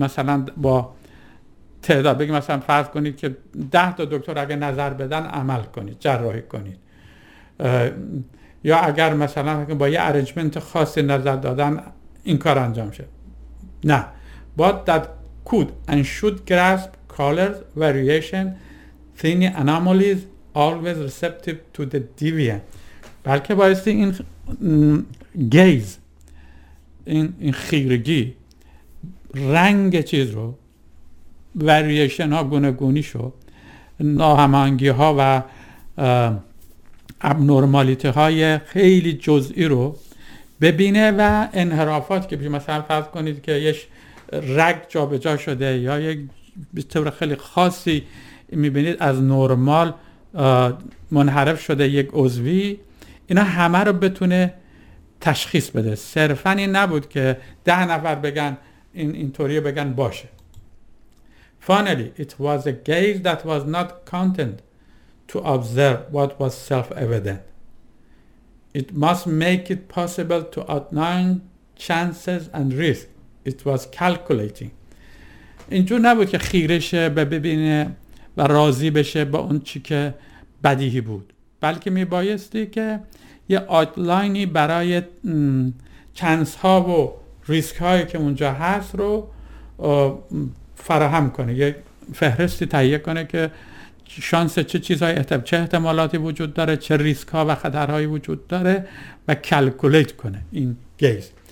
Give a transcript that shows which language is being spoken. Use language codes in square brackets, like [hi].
[fa] مثلا با تعداد، بگیم مثلا فرض کنید که 10 تا دکتر اگه نظر بدن عمل کنید، جراحی کنید، یا اگر مثلا با یه ارنجمنت خاصی نظر دادن این کار انجام شد، نه. [en] But that could and should grasp colors, variation, thinning anomalies, always receptive to the deviant. [fa] بلکه بایستی این گیز، این خیرگی، رنگ چیز رو، وریشن ها، گونه گونی شو، ناهمانگی ها و ابنورمالیته های خیلی جزئی رو ببینه و انحرافات که بشه. مثلا فرض کنید که یه رگ جا به جا شده یا یک به طور خیلی خاصی میبینید از نرمال منحرف شده یک عضوی، اینا همه رو بتونه تشخیص بده. صرفا این نبود که 10 نفر بگن اینطوری بگن باشه. [en] Finally, it was a gaze that was not content to observe what was self-evident. It must make it possible to outline chances and risk. It was calculating. [fa] اینجور نبود که خیرشه به ببینه و راضی بشه با اون چی که بدیهی بود، بلکه میبایستی که یه آتلاینی برای چانس ها و ریسک هایی که اونجا هست رو فراهم کنه، یه فهرستی تهیه کنه که شانس چه چیزهای چه احتمالاتی وجود داره، چه ریسک ها و خطرهایی وجود داره و کلکولیت کنه این گیز.